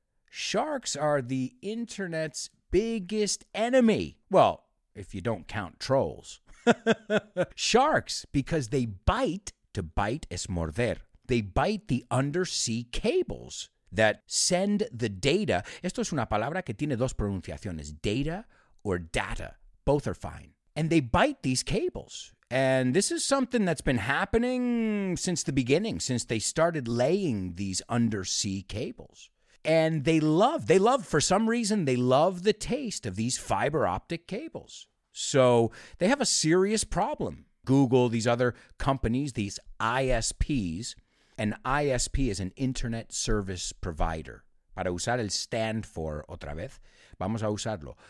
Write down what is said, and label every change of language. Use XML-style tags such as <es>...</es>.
<en>Sharks are the internet's biggest enemy. Well, if you don't count trolls. Sharks, because they bite, to bite</en> <es>es morder.</es> <en>They bite the undersea cables that send the data.</en> <es>Esto es una palabra que tiene dos pronunciaciones,</es> <en>data or data. Both are fine. And they bite these cables. And this is something that's been happening since the beginning, since they started laying these undersea cables. And they love the taste of these fiber optic cables. So they have a serious problem. Google, these other companies, these ISPs, an ISP is an internet service provider.</en> <es>Para usar el stand for otra vez, vamos a usarlo.</es>